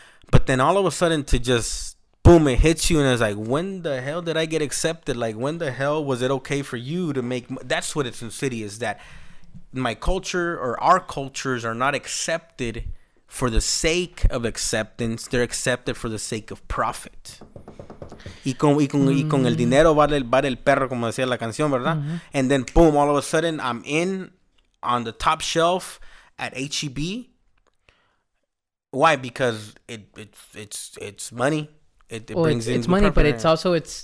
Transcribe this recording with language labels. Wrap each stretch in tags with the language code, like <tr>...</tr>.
<en>But then all of a sudden to just, boom, it hits you. And it's like, when the hell did I get accepted? Like, when the hell was it okay for you to make? That's what it's in city, is that my culture or our cultures are not accepted for the sake of acceptance. They're accepted for the sake of profit.</en> <es>Y con el dinero vale el perro, como decía la canción, ¿verdad? Mm-hmm.</es> <en>And then, boom, all of a sudden, I'm in on the top shelf at HEB. Why? Because it's money. It brings in money, but it's also</en>